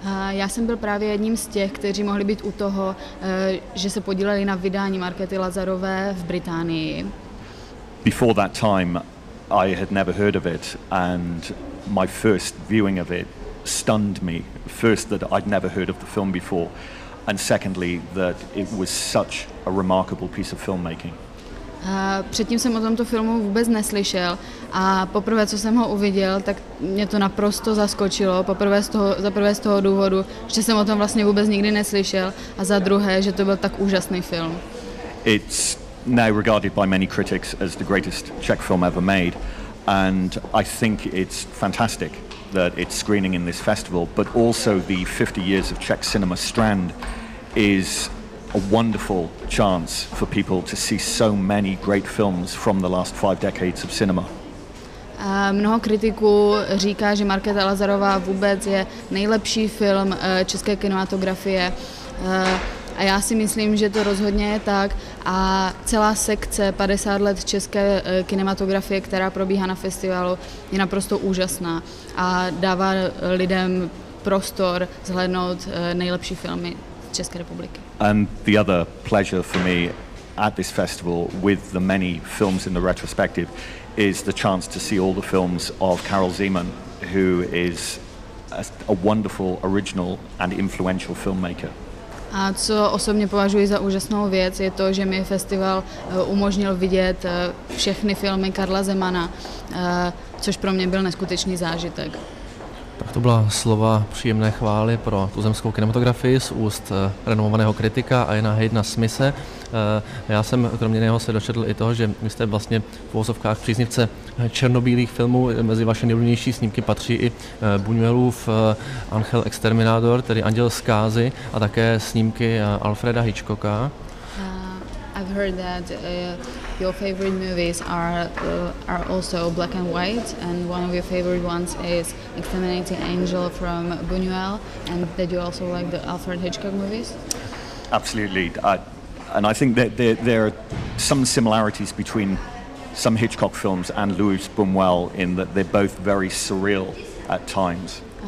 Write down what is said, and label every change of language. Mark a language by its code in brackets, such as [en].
[cs] Já jsem byl právě jedním z těch, kteří mohli být u toho, že se podíleli na vydání Markéty Lazarové v Británii. [en] Before that time, I had never heard of it, and my first viewing of it stunned me. First, that I'd never heard of the film before, and secondly, that it was such a remarkable piece of filmmaking. [cs] Předtím jsem o tomto filmu vůbec neslyšel a poprvé, co jsem ho uviděl, tak mě to naprosto zaskočilo. Za prvé z toho důvodu, že jsem o tom vlastně vůbec nikdy neslyšel, a za druhé, že to byl tak úžasný film. [en] It's now regarded by many critics as the greatest Czech film ever made, and I think it's fantastic that it's screening in this festival, but also the 50 years of Czech cinema strand is a wonderful chance for people to see so many great films from the last 5 decades of cinema. [cs] Mnoho kritiků říká, že Markéta Lazarová vůbec je nejlepší film české kinematografie. A já si myslím, že to rozhodně je tak. A celá sekce 50 let české kinematografie, která probíhá na festivalu, je naprosto úžasná a dává lidem prostor zhlédnout nejlepší filmy České republiky. [en] And the other pleasure for me at this festival with the many films in the retrospective is the chance to see all the films of Carol Zeman, who is a wonderful original and influential filmmaker. [cs] A co osobně považuji za úžasnou věc, je to, že mi festival umožnil vidět všechny filmy Karla Zemana, což pro mě byl neskutečný zážitek. Tak to byla slova příjemné chvály pro tuzemskou kinematografii z úst renomovaného kritika a Jana Hejdna Smise. Já jsem kromě něho se dočetl i toho, že vy jste vlastně v uvozovkách příznivce černobílých filmů. Mezi vaše nejoblíbenější snímky patří i Buñuelův Angel Exterminador, tedy Anděl zkázy, a také snímky Alfreda Hitchcocka. [en] I've heard that your favorite movies are also black and white, and one of your favorite ones is Exterminating Angel from Buñuel, and that you also like the Alfred Hitchcock movies? Absolutely. And I think that there are some similarities between some Hitchcock films and Louis Buñuel in that they're both very surreal at times.